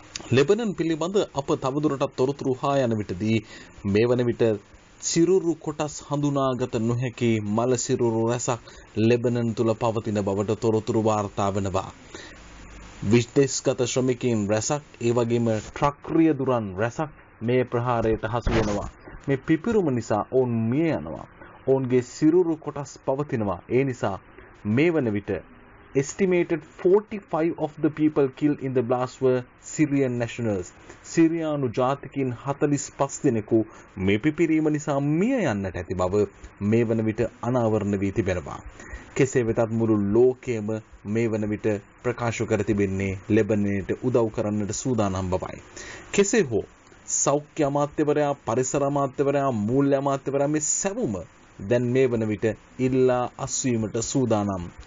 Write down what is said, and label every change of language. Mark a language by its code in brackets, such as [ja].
[si] Lebanon පිළිබඳ අප තවදුරටත් තොරතුරු හා යන විටදී මේ වන විට සිරුරු කොටස් හඳුනාගත නොහැකි මල සිරුරු රැසක් ලෙබනන් තුළ පවතින බවට තොරතුරු වාර්තා වෙනවා. විදේශගත ශ්‍රමිකයින් රැසක් ඒ වගේම ට්‍රක් රියදුරන් රැසක් මේ ප්‍රහාරයට හසු වෙනවා. මේ පිපිරුම නිසා ඔවුන් මිය යනවා. ඔවුන්ගේ සිරුරු කොටස් පවතිනවා. ඒ නිසා මේ වන විට [en] estimated 45 of the people killed in the blast were Syrian nationals. [si] සිරියානු ජාතිකයින් 45 දෙනෙකු මේ පිපිරීම නිසා මිය යන්නට ඇති බව මේ වන විට අනාවරණ වී තිබෙනවා. කෙසේ වෙතත් මුළු ලෝකයේම මේ වන විට ප්‍රකාශ කර තිබෙන්නේ ලෙබනනයට උදව් කරන්නට සූදානම් බවයි. කෙසේ හෝ සෞඛ්‍ය අමාත්‍යවරයා, පරිසර අමාත්‍යවරයා, මූල්‍ය අමාත්‍යවරයා මේ සැවුම දැන් මේ වන විට ඉල්ලා අස්වීමට සූදානම්.